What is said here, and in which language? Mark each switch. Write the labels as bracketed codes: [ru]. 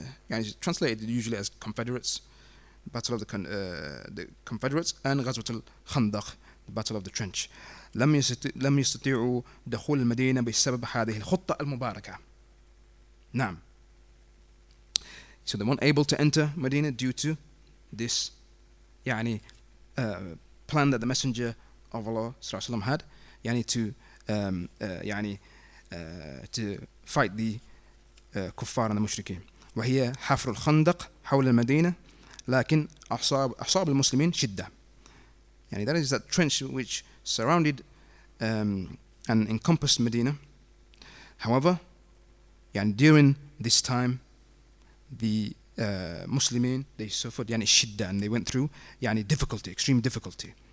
[en] يعني it's translated usually as Confederates, battle of the Confederates, and غزوة الخندق, battle of the trench. [ar] لم يستطيعوا دخول المدينة بسبب هذه الخطة المباركة. [en] نعم. So they weren't able to enter Medina due to this يعني plan that the messenger of Allah صلى الله عليه وسلم had, يعني to يعني to fight the كفار and the مشركين. [ar] وهي حفر الخندق حول المدينة, لكن أصاب المسلمين شدة. [en] يعني that is that trench which surrounded and encompassed Medina. However, يعني during this time, the Muslimin, they suffered يعني شدة, and they went through يعني difficulty, extreme difficulty.